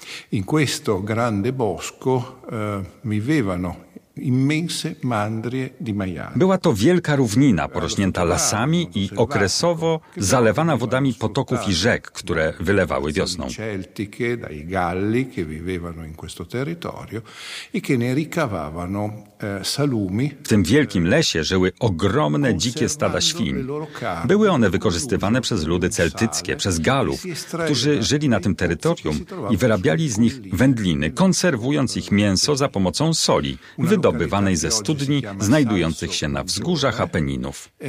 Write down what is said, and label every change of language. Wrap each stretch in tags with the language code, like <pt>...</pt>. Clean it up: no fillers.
<it>In questo grande bosco vivevano immense mandrie di maiali.</it> <pl>Była to wielka równina porośnięta lasami i okresowo zalewana wodami potoków i rzek, które wylewały wiosną.</pl> <it>Celtiche, dai galli che vivevano in questo territorio e che ne ricavavano salumi.</it> <pl>W tym wielkim lesie żyły ogromne dzikie stada świń. Były one wykorzystywane przez ludy celtyckie, przez galów, którzy żyli na tym terytorium i wyrabiali z nich wędliny, konserwując ich mięso za pomocą soli wydobywanej ze studni znajdujących się na wzgórzach Apeninów.</pl>